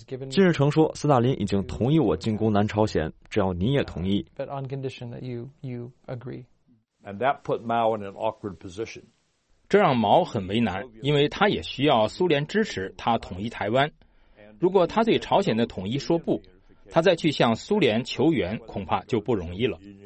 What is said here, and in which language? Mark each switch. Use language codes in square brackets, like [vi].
[zh] 金日成说，斯大林已经同意我进攻南朝鲜，只要你也同意。 [en] But on condition that you agree. And that put Mao in an awkward position. [zh] 这让毛很为难，因为他也需要苏联支持他统一台湾。如果他对朝鲜的统一说不，他再去向苏联求援恐怕就不容易了。